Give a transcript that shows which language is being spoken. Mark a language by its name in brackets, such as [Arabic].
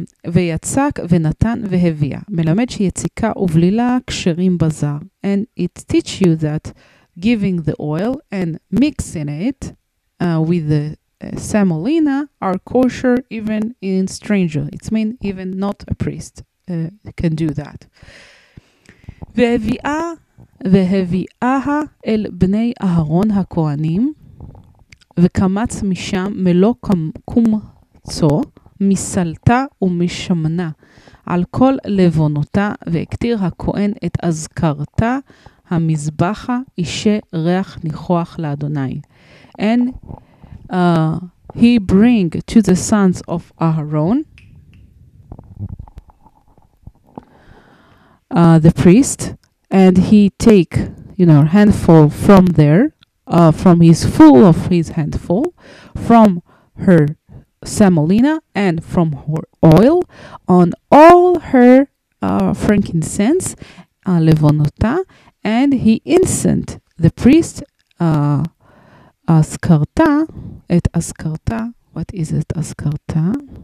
[Hebrew] ויצק ונתן והביא מלמד שיציקה ובלילה כשרים בזר. [English] And it teach you that giving the oil and mixing it with the semolina are kosher even in stranger. It means even not a priest can do that. [Hebrew] והביאה אל בני אהרון הכהנים וקמץ משם מלוא קומצו מסלטה ומשמנה על כל לבונותה והקטיר הכהן את אזכרתה המזבחה אישה ריח ניחוח לאדוני. [English] And he bring to the sons of Aaron the priest, and he take, you know, handful from there, from his full of his handful, from her semolina and from her oil, on all her frankincense, levonota, and he incense the priest, askarta, et askarta, what is it, askarta?